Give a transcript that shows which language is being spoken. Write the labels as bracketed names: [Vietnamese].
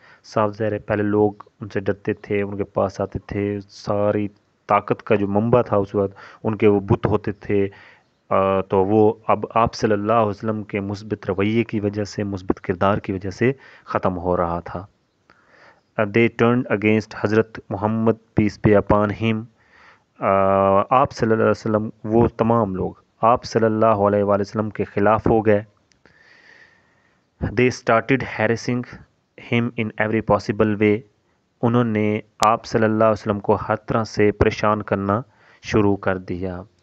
[Urdu] صاف ظاہر ہے پہلے لوگ ان سے ڈرتے تھے, ان کے پاس آتے تھے, ساری طاقت کا جو منبع تھا اس وقت ان کے وہ بت ہوتے تھے. تو وہ اب آپ صلی اللہ علیہ وسلم کے مثبت رویے کی وجہ سے, مثبت کردار کی وجہ سے ختم ہو رہا تھا. [English] They turned against Hazrat Muhammad peace be upon him. [Urdu] آپ صلی اللہ علیہ وسلم, وہ تمام لوگ آپ صلی اللہ علیہ وسلم کے خلاف ہو گئے. [English] They started harassing him in every possible way. [Urdu] انہوں نے آپ صلی اللہ علیہ وسلم کو ہر طرح سے پریشان کرنا شروع کر دیا.